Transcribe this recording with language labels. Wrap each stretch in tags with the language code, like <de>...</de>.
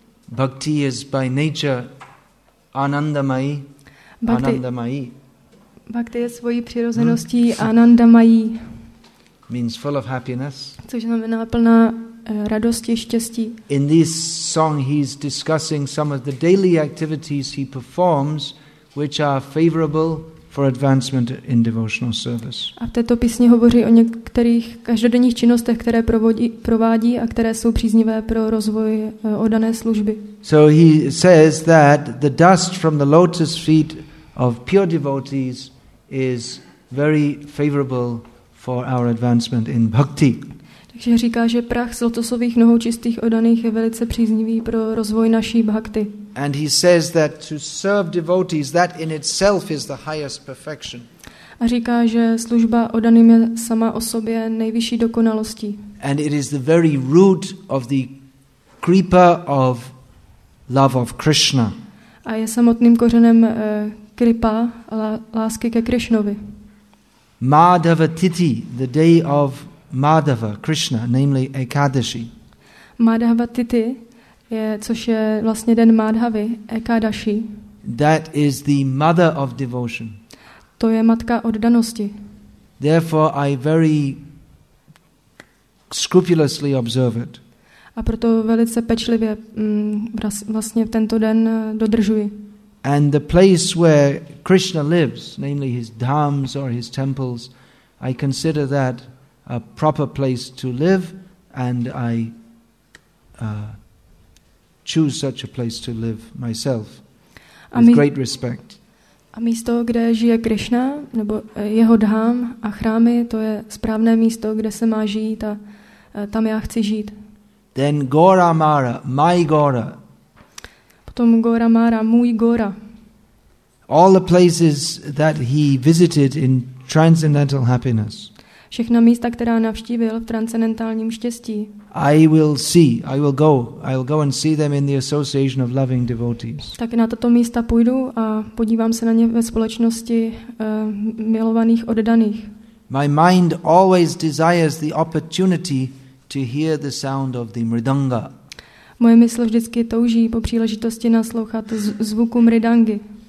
<en>Bhakti is by nature anandamayi. Anandamayi.</en> <cs>Bhakti je svojí přirozeností anandamayi.</cs> <en>Means full of happiness.</en> <cs>Což znamená plná radosti, štěstí.</cs> <en>In this song he's discussing some of the daily activities he performs which are favorable for advancement in devotional service.</en> <cs>A v této písni hovoří o některých každodenních činnostech, které provádí a které jsou příznivé pro rozvoj oddané služby.</cs> <en>So he says that the dust from the lotus feet of pure devotees is very favorable for our advancement in bhakti.</en> <cs>Takže říká, že prach z lotosových nohou čistých oddaných je velice příznivý pro rozvoj naší bhakti.</cs> <en>And he says that to serve devotees, that in itself is the highest perfection.</en> <cs>A říká, že služba oddaným je sama o sobě nejvyšší dokonalostí.</cs> <en>And it is the very root of the creeper of love of Krishna.</en> <cs>A je samotným kořenem kripa, lásky ke Krishnovi.</cs> <en>Madhava Tithi, the day of Madhava, Krishna, namely Ekadashi.</en> <cs>Madhava Tithi, což je vlastně den Madhavy, Ekadashi.</cs> <en>That is the mother of devotion.</en> <cs>To je matka oddanosti.</cs> <en>Therefore I very scrupulously observe it.</en> <cs>A proto velice pečlivě vlastně v tento den dodržuji.</cs> <en>And the place where Krishna lives, namely his dhams or his temples, I consider that a proper place to live, and I choose such a place to live myself with great respect.</en> <cs>A místo, kde žije Krishna, nebo jeho dham a chrámy, to je správné místo, kde se má žít, a tam já chci žít.</cs> <en>Then Gora Mara, my Gora.</en> <cs>Potom Gora Mara, můj Gora.</cs> <en>All the places that he visited in transcendental happiness.</en> <cs>Všechna místa, která navštívil v transcendentálním štěstí.</cs> <en>I will see, I will go. I will go and see them in the association of loving devotees.</en> <cs>Tak na tato místa půjdu a podívám se na ně ve společnosti milovaných oddaných.</cs> <en>My mind always desires the opportunity to hear the sound of the mridanga.</en> <cs>Moje mysl vždycky touží po příležitosti naslouchat zvuku mridangy.</cs>